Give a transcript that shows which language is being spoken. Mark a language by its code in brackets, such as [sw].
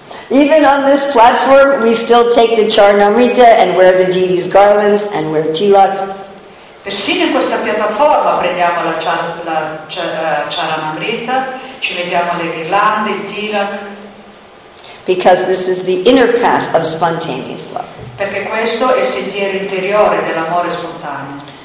[en] Even on this platform, we still take the Charanamrita and wear the deity's garlands and wear tilak. [it] Persino in questa piattaforma prendiamo la Charanamrita, ci mettiamo le ghirlande, il tilak. [en] Because this is the inner path of spontaneous love. [it] Perché questo è il sentiero interiore dell'amore spontaneo.